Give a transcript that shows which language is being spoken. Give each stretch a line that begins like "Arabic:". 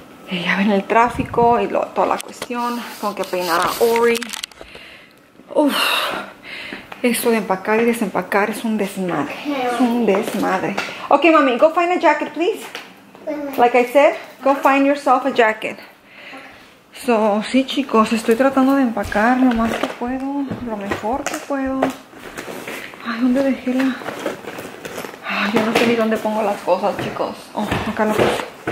Spanish: Ya ven el tráfico y toda la cuestión. Tengo que peinar a Ori. Uf. Eso de empacar y desempacar es un desmadre. Es un desmadre.
English: Ok, mami, go find a jacket, please. Like I said, go find yourself a jacket.
Spanish: So, sí, chicos, estoy tratando de empacar lo más que puedo, lo mejor que puedo. Ay, ¿dónde dejé la...? Ay, yo no sé ni dónde pongo las cosas, chicos. Oh, acá lo puse.